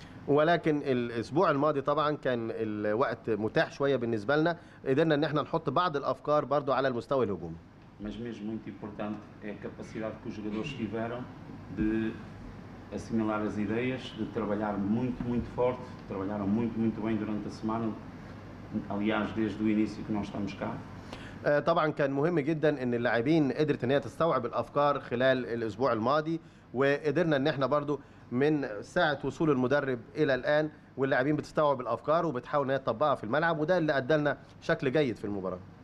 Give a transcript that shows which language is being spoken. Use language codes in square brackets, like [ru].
[ar] ولكن الأسبوع الماضي طبعا كان الوقت متاح شوية بالنسبة لنا، قدرنا إن احنا نحط بعض الأفكار برضو على المستوى الهجومي. [pt] Mas mesmo muito importante é a capacidade que os jogadores tiveram de assimilar as ideias, de trabalhar muito, muito forte. Trabalharam muito, muito bem durante a semana. Aliás, desde o início que nós estamos cá. [ar] طبعا كان مهم جدا ان اللاعبين قدرت ان هي تستوعب الافكار خلال الاسبوع الماضي، وقدرنا ان احنا برضو من ساعه وصول المدرب الى الان واللاعبين بتستوعب الافكار وبتحاول ان هي تطبقها في الملعب، وده اللي ادى لنا شكل جيد في المباراه.